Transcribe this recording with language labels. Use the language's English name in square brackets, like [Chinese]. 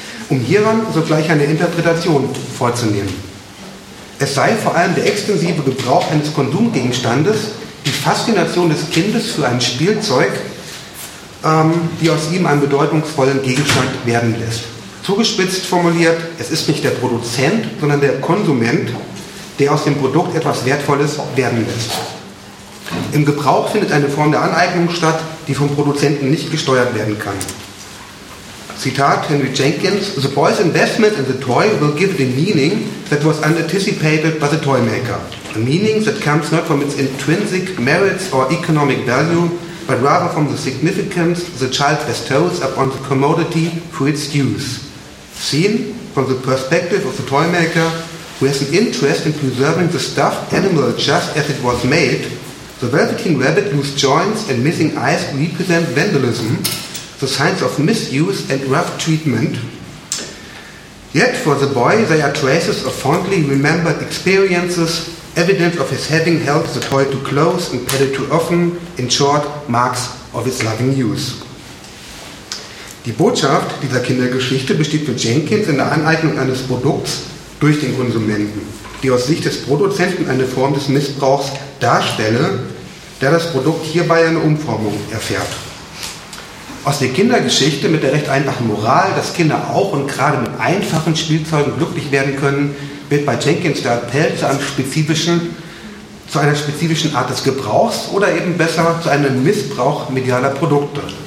[German] Um hieran sogleich eine Interpretation vorzunehmen. Es sei vor allem der extensive Gebrauch eines Konsumgegenstandes, die Faszination des Kindes für ein Spielzeug, die aus ihm einen bedeutungsvollen Gegenstand werden lässt. Zugespitzt formuliert, es ist nicht der Produzent, sondern der Konsument, der aus dem Produkt etwas Wertvolles werden lässt. Im Gebrauch findet eine Form der Aneignung statt, die vom Produzenten nicht gesteuert werden kann. [English] Zitat Henry Jenkins, "The boy's investment in the toy will give it a meaning that was unanticipated by the toy maker. A meaning that comes not from its intrinsic merits or economic value, but rather from the significance the child bestows upon the commodity through its use. Seen from the perspective of the toy maker, who has an interest in preserving the stuffed animal just as it was made, the velveteen rabbit whose joints and missing eyes represent vandalism, the signs of misuse and rough treatment, Yet for the boy they are traces of fondly remembered experiences, evidence of his having held the toy too close and petted too often, in short, marks of its loving use. [German] Die Botschaft dieser Kindergeschichte besteht für Jenkins in der Aneignung eines Produkts durch den Konsumenten, die aus Sicht des Produzenten eine Form des Missbrauchs darstelle, da das Produkt hierbei eine Umformung erfährt. Aus der Kindergeschichte mit der recht einfachen Moral, dass Kinder auch und gerade mit einfachen Spielzeugen glücklich werden können, wird bei Jenkins der Appell zu einer spezifischen Art des Gebrauchs oder eben besser zu einem Missbrauch medialer Produkte.